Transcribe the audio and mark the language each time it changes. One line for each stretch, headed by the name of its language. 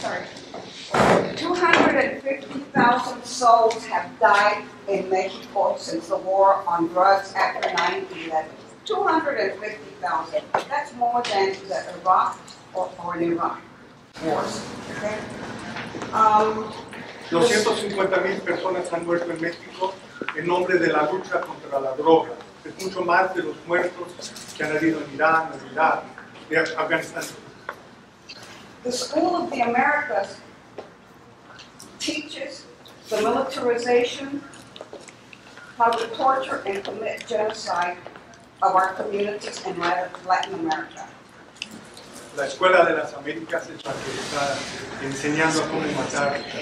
English: Sorry. 250,000 souls have died in Mexico since the war on drugs after 9/11. 250,000. That's more than the Iraq or Iran wars. Okay.
Spanish: 250,000 personas han muerto en México en nombre de la lucha contra la droga. Es mucho más de los muertos que han habido en Irán, en Irak, en Afganistán.
English: The School of the Americas teaches the militarization, public torture, and commit genocide of our communities in Latin America.
Spanish: La Escuela de las Américas es la que está enseñando cómo matar.